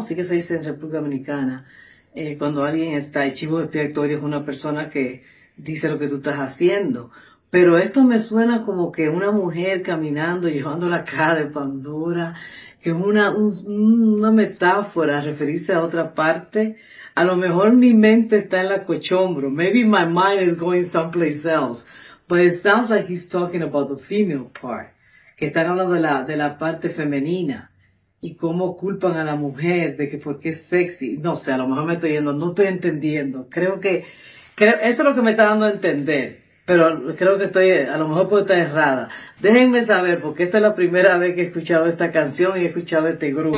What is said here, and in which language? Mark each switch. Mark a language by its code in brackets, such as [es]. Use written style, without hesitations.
[es] Así que se dice en República Dominicana, cuando alguien está, el chivo expiatorio es una persona que dice lo que tú estás haciendo. Pero esto me suena como que una mujer caminando, llevando la cara de Pandora, que es una metáfora referirse a otra parte. A lo mejor mi mente está en la cochombro. [en] Maybe my mind is going someplace else. But it sounds like he's talking about the female part. [es] Que están hablando de la parte femenina. Y cómo culpan a la mujer de que porque es sexy. No sé, a lo mejor me estoy yendo, no estoy entendiendo. Creo eso es lo que me está dando a entender. Pero creo que estoy, a lo mejor puedo estar errada. Déjenme saber, porque esta es la primera vez que he escuchado esta canción y he escuchado este grupo.